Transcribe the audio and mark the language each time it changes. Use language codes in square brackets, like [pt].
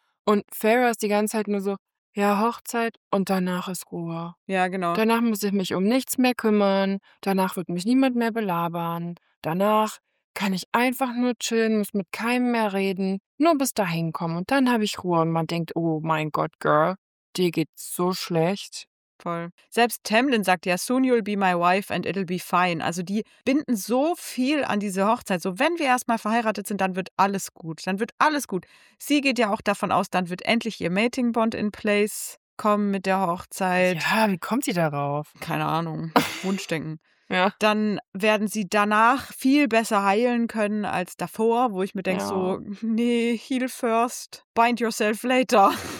[de] Und Farrah ist die ganze Zeit nur so, ja, Hochzeit und danach ist Ruhe. Ja, genau. Danach muss ich mich um nichts mehr kümmern. Danach wird mich niemand mehr belabern. Danach kann ich einfach nur chillen, muss mit keinem mehr reden. Nur bis dahin kommen und dann habe ich Ruhe. Und man denkt, oh mein Gott, Girl, dir geht's so schlecht. Voll. Selbst Tamlin sagt ja, [en] soon you'll be my wife and it'll be fine. [de] Also die binden so viel an diese Hochzeit. So, wenn wir erstmal verheiratet sind, dann wird alles gut. Dann wird alles gut. Sie geht ja auch davon aus, dann wird endlich ihr Mating Bond in place kommen mit der Hochzeit. Ja, wie kommt sie darauf? Keine Ahnung. Wunschdenken. Ja. Dann werden sie danach viel besser heilen können als davor, wo ich mir denke so, nee, [en] heal first, bind yourself later.